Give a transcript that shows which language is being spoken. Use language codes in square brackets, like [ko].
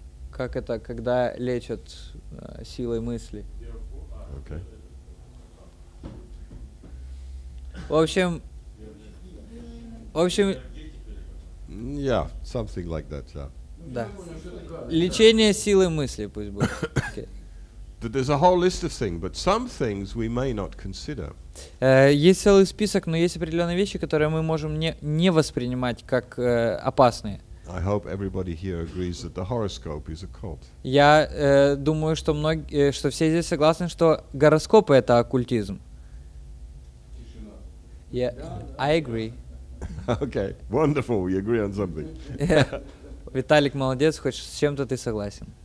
[ru] Как это, когда лечат силой мысли? [en] Okay. [ru] В общем. [en] Yeah, something like that. Yeah. [ru] Да. Лечение силой мысли, пусть будет. [en] Okay. There's a whole list of things, but some things we may not consider. [ru] Есть целый список, но есть определенные вещи, которые мы можем не воспринимать как опасные. [en] I hope everybody here agrees that the horoscope is a cult. [ru] Я думаю, что многие, что все здесь согласны, что гороскопы это оккультизм. [en] Yeah, I agree. Okay, wonderful. We agree on something. [ru] Виталик, молодец, хоть с чем-то ты согласен.